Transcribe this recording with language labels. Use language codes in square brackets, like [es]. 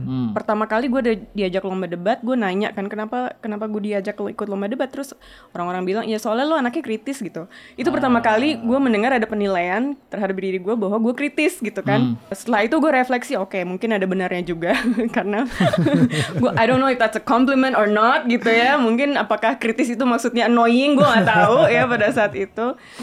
[id] Pertama kali gue diajak lomba debat, gue nanya kan kenapa gue diajak ikut lomba debat. Terus orang-orang bilang, ya soalnya lo anaknya kritis gitu. Itu pertama kali gue mendengar ada penilaian terhadap diri gue bahwa gue kritis gitu kan. Setelah itu gue refleksi, okay, mungkin ada benarnya juga. Karena gue, [en] I don't know if that's a compliment or not [id] gitu ya. Mungkin apakah kritis itu maksudnya annoying, gue gak tahu ya pada saat itu.